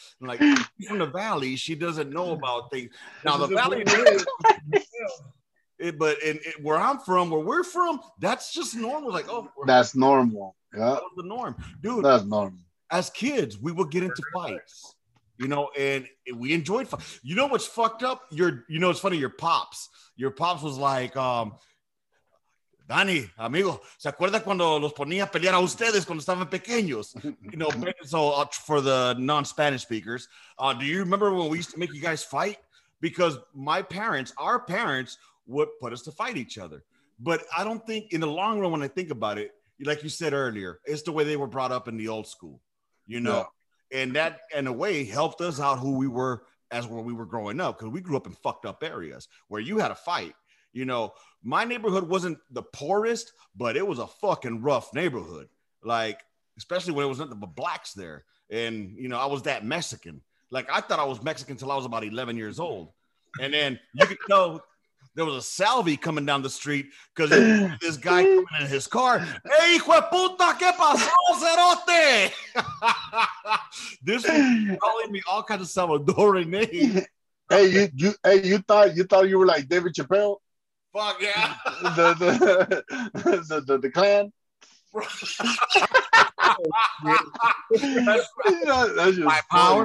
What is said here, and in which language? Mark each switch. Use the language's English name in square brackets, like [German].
[English] And like, from the valley, she doesn't know about things. Now, the valley, but in where I'm from, where we're from, that's just normal. Like, oh, that's home. Normal. Yeah. That was the norm. Dude, that's normal. As kids, we would get into fights. You know, and we enjoyed fun. You know what's fucked up? It's funny. [Spanish] Your pops was like, Danny, amigo, ¿se acuerda cuando los ponía a pelear a ustedes cuando estaban pequeños? [English] You know, so for the non-Spanish speakers, do you remember when we used to make you guys fight? Because our parents would put us to fight each other. But I don't think in the long run, when I think about it, like you said earlier, it's the way they were brought up in the old school, you know? Yeah. And that, in a way, helped us out who we were as when we were growing up, because we grew up in fucked up areas where you had a fight. You know, my neighborhood wasn't the poorest, but it was a fucking rough neighborhood. Like, especially when it was nothing but blacks there. And, you know, I was that Mexican. Like, I thought I was Mexican until I was about 11 years old. And then you could tell there was a Salvi coming down the street because this guy coming in his car. [Spanish] Hey, hijo de puta, ¿qué pasó, cerote? [English] This was calling me all kinds of Salvadoran names. Hey, you thought you were like David Chappelle? Fuck yeah. the Klan? My power?